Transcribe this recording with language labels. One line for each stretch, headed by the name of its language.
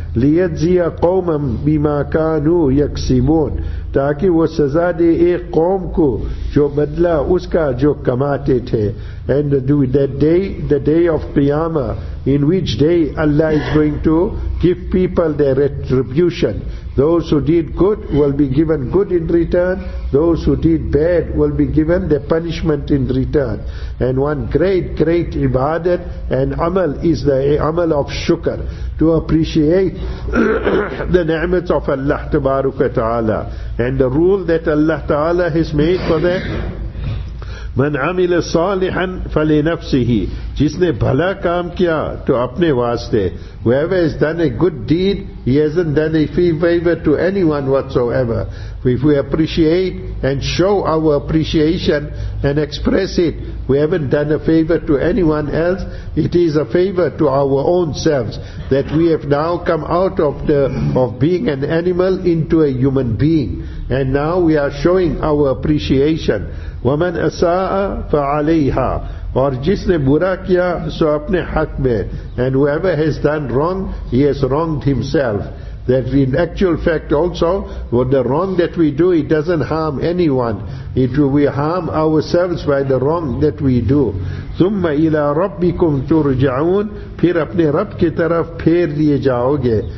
Arabic: لِيَجْزِيَ قَوْمًا بِمَا كَانُوا يَكْسِمُونَ
Urdu: تاکہ وہ سزا دے ایک قوم کو جو بدلہ اس کا جو کماتے تھے.
English: And that day, the day of Qiyamah, in which day Allah is going to give people their retribution. Those who did good will be given good in return. Those who did bad will be given their punishment in return. And one great, great ibadat and amal is the amal of shukr. To appreciate the ni'mats of Allah tabaraka ta'ala. And the rule that Allah ta'ala has made for them.
Arabic: من عمل صالحا فلنفسه
Urdu: جس نے بھلا کام کیا تو اپنے واسطے.
English: Whoever has done a good deed, he hasn't done a favor to anyone whatsoever. If we appreciate and show our appreciation and express it, we haven't done a favor to anyone else. It is a favor to our own selves that we have now come out of being an animal into a human being. And now we are showing our appreciation.
Arabic: وَمَنْ أَسَاءَ فَعَلَيْهَا
Urdu: اور جس نے برا کیا سو اپنے حق میں.
English: And whoever has done wrong, he has wronged himself. That in actual fact also, what the wrong that we do, it doesn't harm anyone. We harm ourselves by the wrong that we do.
Arabic: ثُمَّ إِلَىٰ رَبِّكُمْ تُرْجَعُونَ
Urdu: پھر اپنے رب کے طرف پھیر لیے جاؤ گے.